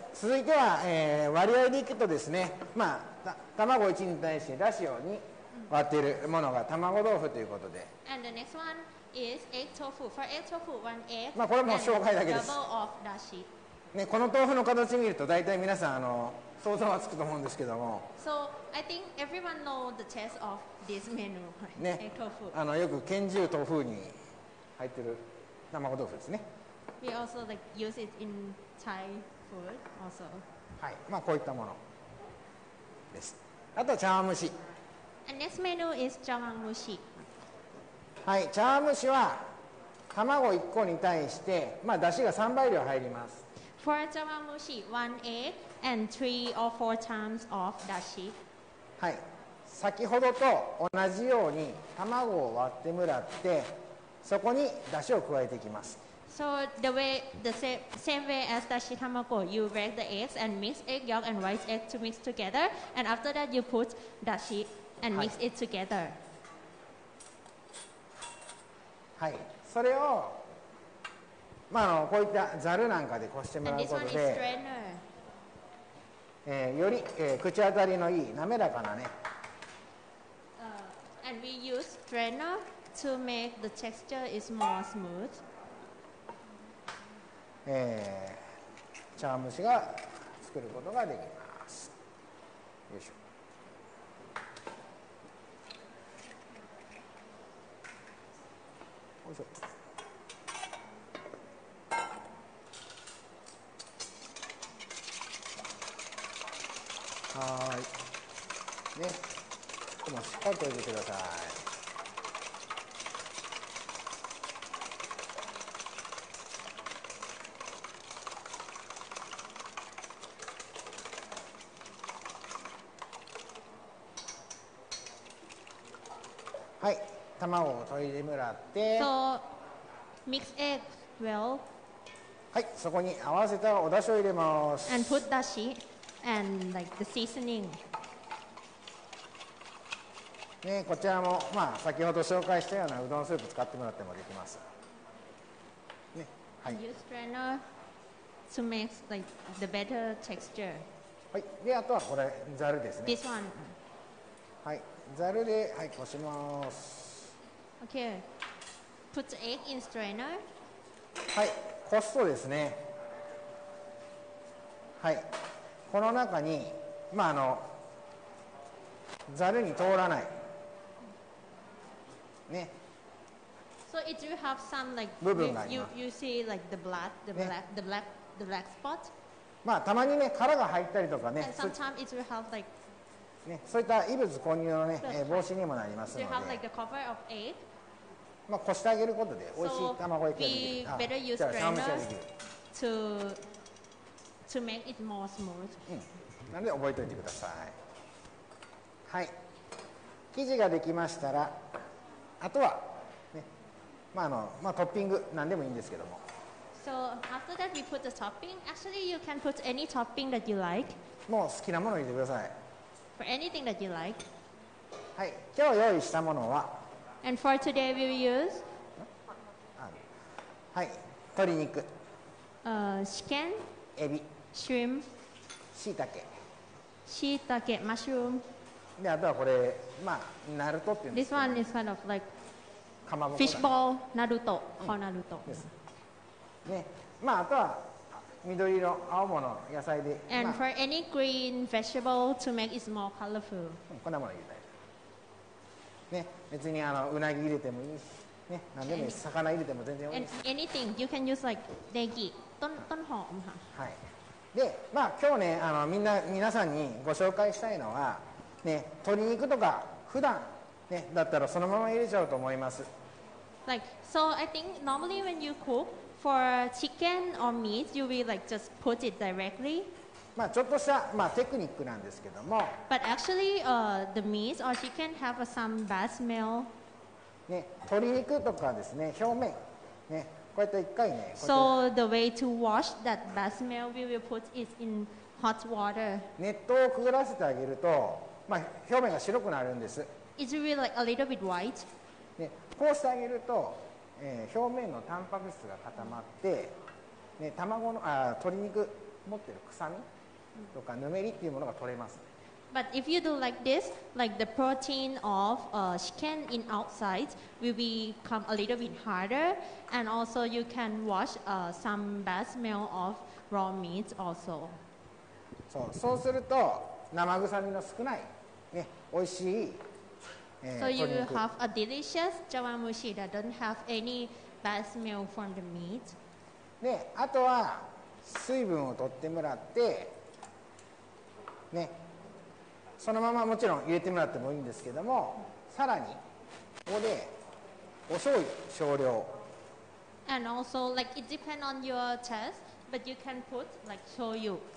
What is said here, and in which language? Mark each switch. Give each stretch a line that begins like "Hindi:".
Japanese: 続いては、割合でいくとですね、まあ。卵1に対してだしを2割っているものが卵豆腐ということで。
English: And the next one is egg tofu. For egg tofu, one egg.
Japanese: まあこれも紹介だけです。
English: Double of だし。
Japanese: ね、この豆腐の形見ると大体皆さんあの想像はつくと思うんですけども。
English: So I think everyone know the taste of this menu.
Japanese: ね、
English: egg tofu.
Japanese: あのよく拳銃豆腐に入ってる卵豆腐ですね。
English: We also like use it in Thai food also.
Japanese: はい、まあこういったもの。ですあとは茶碗蒸し
English: And next menu is 茶碗蒸し
Japanese: はい茶碗蒸しは卵1個に対して、まあ、出汁が3倍量入ります。
English: For a jawamushi, one egg and three or four times of dashi.
Japanese: はい。先ほどと同じように卵を割ってもらって、そこに出汁を加えていきます。
English: So the way, the same way as dashi tamago, you break the eggs and mix egg yolk and white egg to mix together, and after that you put dashi and mix it together.
Japanese: はい。それを、まあ、あのこういったザルなんかでこしてもらうことで、より、口当たりのいい滑らかなね。
English: And we use strainer to make the texture is more smooth.
Japanese: 茶碗蒸しが作ることができます。よいしょ。はい、ね、ここもしっかりと入れてください。はい、卵を溶いてもらって、
English: So, mix egg well.
Japanese: はい、そこに合わせたお出汁を入れます。
English: And put dashi and like the seasoning.
Japanese: ね、こちらも、まあ、先ほど紹介したようなうどんスープ使ってもらってもできます。ね、はい。
English: Use strainer to make like the better texture.
Japanese: はい、で、あとはこれ、ザルですね。
English: This one.
Japanese: はい、ザルで、はい、こします。
English: Okay. Put egg in strainer.
Japanese: はい、こすとですね。はい。この中に、まあ、あのザルに通らない、ね、
English: so it will have some like
Japanese: 部分があります。
English: you see like the blood, the black,、ね、the black spot.
Japanese: まあたまにね殻が入ったりとかね。
English: And sometimes it will have like
Japanese: ね、そういった異物混入のね防止にもなりますので。
English: It will have like the cover of egg.
Japanese: まあこしてあげることで美味しい卵焼きができ
English: る。So we better use strainer to make it more smooth.
Japanese: なので覚えておいてください。はい、生地ができましたらあとは、ね、まああのまあ、トッピング何でもいいんですけども。
English: So after that we put the topping. Actually you can put any topping that you like.
Japanese: もう好きなものを入れてください。
English: For anything that you like.
Japanese: はい、今日用意したものは
English: And for today we will use
Japanese: はい、鶏肉、
English: シケン、
Japanese: エビ、
English: シュリンプ、
Japanese: しいたけ、しいたけ、マッシュルーム、で、あとはこれ、まあ、ナルトっていうんですけど、ね、
English: This one is kind of like
Japanese: かまぼこ、フィッシュボール、ナルト、コーナルト、ね、まあ、あとは緑色、青物、野菜で、
English: And for any green vegetable to make it more colorful、
Japanese: こんなもの入れたい、ね、別にあのうなぎ入れてもいいし、ね、何でもいいし、魚入れても全然いいです。
English: And anything, you can use like ネギ。
Japanese: はい、で、まあ、今日ね、あのみんな皆さんにご紹介したいのは、ね、鶏肉とか普段、ね、だったらそのまま入れちゃうと思います。
English: Like, so I think normally when you cook for chicken or meat, you will like just put it directly.
Japanese: まあちょっとした、まあ、テクニックなんですけども。
English: But actually, the meat or chicken have some bad smell.
Japanese: ね、鶏肉とかですね、表面ね。こうやって一回ね。
English: So the way to wash that bad smell, we will put it in hot water.
Japanese: 熱湯をくぐらせてあげると、まあ、表面が白くなるんです。
English: It will like a little bit white.
Japanese: ね、こうしてあげると、表面のタンパク質が固まって、ね、卵の、鶏肉持ってる臭みとかぬめりっていうものが取れます。
English: But if you do like this, like the protein of chicken in outside will become a little bit harder, and also you can wash some bad smell of raw meat also.
Japanese: そう、そうすると生臭みの少ないね、おいしい、
English: So you will have a delicious jawamushi that don't have any bad smell from the meat.
Japanese: で、あとは水分を取ってもらってね。そのままもちろん入れてもらってもいいんですけども、さらにここでお醤油少量、
English: And also, like, it depends on your test, but you can put, like, shoyu.